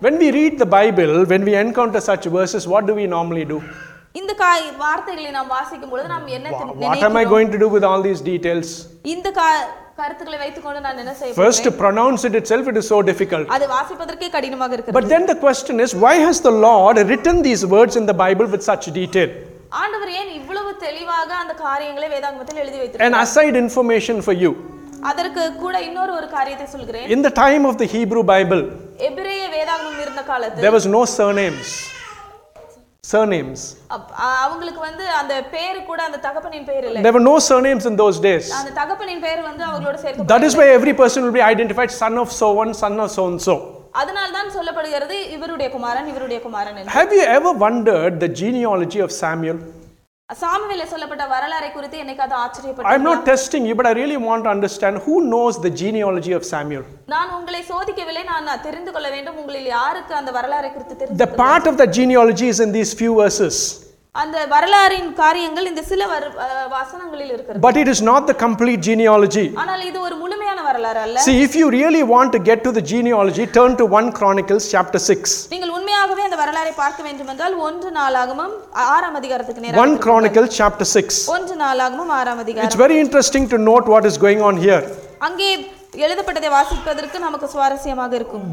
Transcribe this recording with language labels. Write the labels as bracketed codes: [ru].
[en] When we read the Bible, when we encounter such verses, what do we normally do? [ta] இந்த வார்த்தைகளை நாம் வாசிக்கும் பொழுது நாம் என்ன நினைக்கிறோம்? [en] What am I going to do with all these details? [ta] இந்த கருத்துக்களை வைத்துக்கொண்டு நான் என்ன செய்ய போறேன்? [en] First to pronounce it itself, it is so difficult. [ta] அது வாசிப்பதற்கே கடினமாக இருக்கிறது. [en] But then the question is, why has the Lord written these words in the Bible with such detail? [ta] ஆண்டவர் ஏன் இவ்வளவு தெளிவாக அந்த காரியங்களை வேதாகமத்தில் எழுதி வைத்திருக்கிறார்? [en] An aside information for you. [ta] அதற்கு கூட இன்னொரு ஒரு காரியத்தை சொல்கிறேன். [en] In the time of the Hebrew Bible, [ta] எபிரேய வேதாகமம் இருந்த காலத்தில், [en] there was no surnames. Surnames. [ta] அவங்களுக்கு வந்து அந்த பேர் கூட அந்த தகப்பனின் பேர் இல்ல. [en] There were no surnames in those days. [ta] அந்த தகப்பனின் பேர் வந்து அவங்களோட சேர்த்து. [en] That is why every person will be identified son of so one, son of so and so. [ta] அதனால தான் சொல்லப்படுகிறது இவருடைய குமாரன் இவருடைய குமாரன் என்று. [en] Have you ever wondered the genealogy of Samuel? [ta] சாமுவேலை சொல்லப்பட்ட வரலாறு குறித்து என்னைக்காவது ஆச்சரியப்பட்டீங்களா? [en] I am not testing you, but I really want to understand who knows the genealogy of Samuel. [ta] நான் உங்களை சோதிக்கவில்லை, நான் தெரிந்து கொள்ள வேண்டும் உங்களில் யாருக்கு அந்த வரலாறு குறித்து தெரியும். [en] The part of the genealogy is in these few verses. [ta] அந்த வரலாறின் காரியங்கள் இந்த சில வசனங்களில் இருக்கிறது. [en] But it is not the complete genealogy. [ta] ஆனால் இது ஒரு முழுமையான வரலாறு அல்ல. [en] See, if you really want to get to the genealogy, turn to 1 Chronicles chapter 6. [ta] நீங்கள் உண்மையாகவே அந்த வரலாறை பார்க்க வேண்டும் என்றால் 1 நாளாகமம் 6 அதிகாரத்துக்கு நேராக [en] 1 Chronicles chapter 6. [ta] 1 நாளாகமம் 6 அதிகாரம். [en] It's very interesting to note what is going on here. [ta] அங்கே எழுதப்பட்டதை வாசிப்பதற்கு நமக்கு சுவாரஸ்யமாக இருக்கும்.